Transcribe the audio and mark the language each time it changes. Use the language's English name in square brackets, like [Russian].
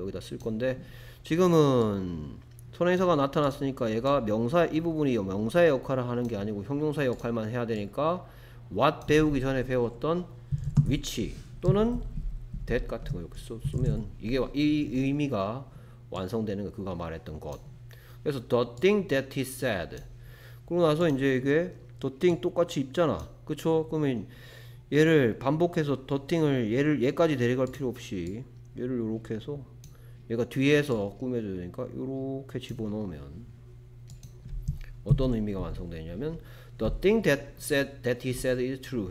[Korean] 여기다 쓸 건데, 지금은 선행사가 나타났으니까 얘가 명사, 이 부분이 명사의 역할을 하는 게 아니고 형용사의 역할만 해야 되니까, what 배우기 전에 배웠던 which 또는 that 같은 거 이렇게 쓰면, 이게 이 의미가 완성되는 거 그가 말했던 것. [English] 그래서 the thing that he said. [Korean] 그러고 나서 이제 이게 the thing 똑같이 입잖아. 그쵸? 그러면 얘를 반복해서 [English] the thing을 얘를 얘까지 데려갈 필요 없이 얘를 이렇게 해서 얘가 뒤에서 꾸며줘야 되니까 이렇게 집어넣으면 어떤 의미가 완성되냐면 the thing that said that he said is true.